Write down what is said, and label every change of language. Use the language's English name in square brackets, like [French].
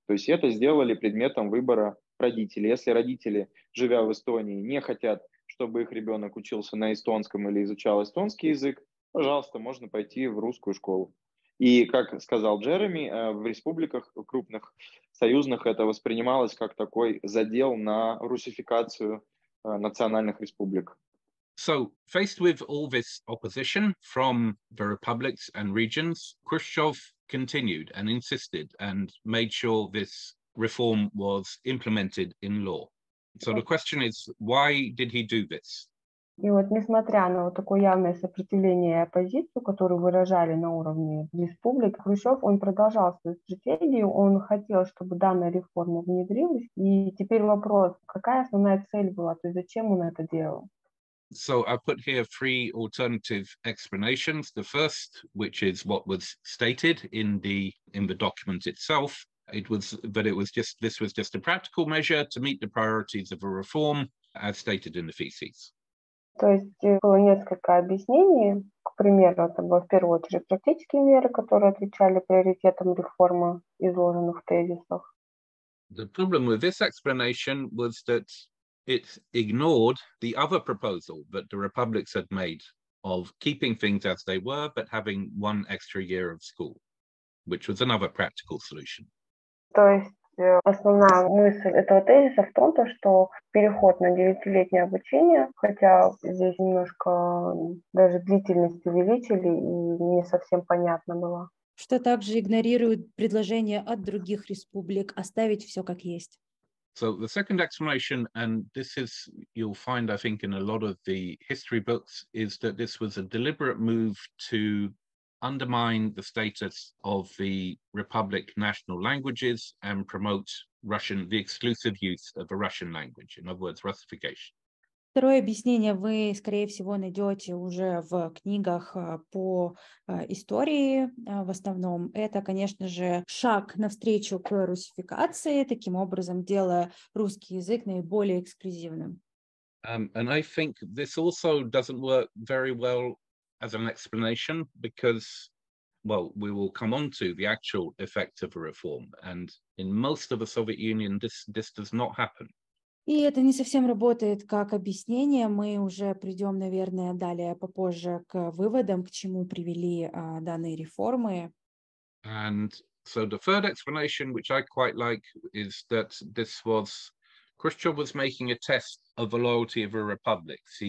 [Russian] То есть это сделали предметом выбора родителей. Если родители, живя в Эстонии, не хотят, чтобы их ребенок учился на эстонском или изучал эстонский язык, пожалуйста, можно пойти в русскую школу. И, как сказал Джереми, в республиках крупных союзных это воспринималось как такой задел на русификацию национальных республик. [English] So, faced with all this opposition from the republics and regions, Khrushchev continued and insisted and made sure this reform was implemented in law. So the question is, why did he do this? [Russian] И вот несмотря на вот такое явное сопротивление и оппозицию, которую выражали на уровне республик, Хрущев, он продолжал свою стратегию, он хотел, чтобы данная реформа внедрилась. И теперь вопрос, какая основная цель была, то есть зачем он это делал? [English] So I put here three alternative explanations. The first, which is what was stated in the document itself, it was just a practical measure to meet the priorities of a reform, as stated in the theses. [Russian] То есть было несколько объяснений. К примеру, это было в первую очередь практические меры, которые отвечали приоритетам реформы, изложенных в тезисах. [English] The problem with this explanation was that it ignored the other proposal that the republics had made of keeping things as they were, but having one extra year of school, which was another practical solution. [Russian] То есть есть основная мысль этого тезиса в том, что переход на 9-летнее обучение, хотя здесь немножко даже длительность увеличили и не совсем понятно было. Что также игнорирует предложение от других республик оставить все как есть. [English] So the second explanation, and this is, you'll find, I think, in a lot of the history books, is that this was a deliberate move to undermine the status of the Republic national languages and promote Russian, the exclusive use of a Russian language, in other words, Russification. [Russian] Второе объяснение вы, скорее всего, найдете уже в книгах по истории в основном. Это, конечно же, шаг навстречу к русификации, таким образом делая русский язык наиболее эксклюзивным. [English] And I think this also doesn't work very well as an explanation, because, well, we will come on to the actual effect of a reform. And in most of the Soviet Union, this does not happen. [Russian] И это не совсем работает как объяснение. Мы уже придем, наверное, далее попозже к выводам, к чему привели данные реформы. [English] And so the third explanation, which I quite like, is that this was Khrushchev was making a test of the loyalty of a republic.